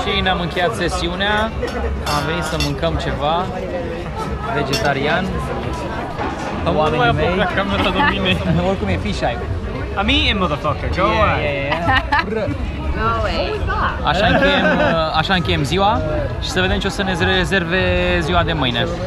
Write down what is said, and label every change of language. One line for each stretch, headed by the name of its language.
Romanian: Am încheiat sesiunea, am venit să mâncăm ceva vegetarian. Oamenii mei. Oricum e fish eye.
English: I'm eating, motherfucker, go away.
Romanian: Așa încheiem, așa încheiem ziua și să vedem ce o să ne rezerve ziua de mâine.